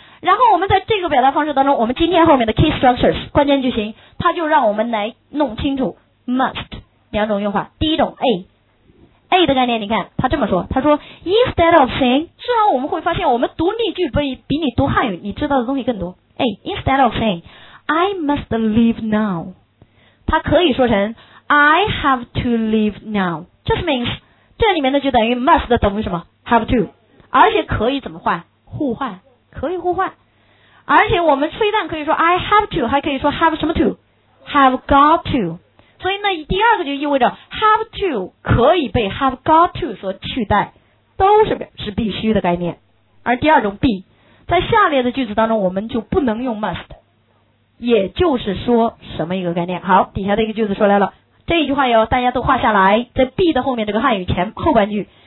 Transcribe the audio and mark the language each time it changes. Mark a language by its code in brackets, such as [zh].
[zh] 然后我们在这个表达方式当中，我们今天后面的 key structures 关键句型，它就让我们来弄清楚 must 两种用法。第一种 A 的概念，你看他这么说，他说 [en] instead of saying， [zh] 至少我们会发现我们读例句比你读汉语你知道的东西更多。 A [en] instead of sayingI must leave now， [zh] 它可以说成 [en] I have to leave now， just means [zh] 这里面的就等于 must 的等于什么 have to， 而且可以怎么换，互换，可以互换。而且我们非但可以说 I have to， 还可以说 have 什么 to， [en] have got to。 [zh] 所以那第二个就意味着 have to 可以被 have got to 所取代，都是必须的概念。而第二种 B 在下列的句子当中我们就不能用 must，也就是说什么一个概念。好，底下的一个句子说来了，这一句话要大家都画下来，在 be 的后面这个汉语前后半句。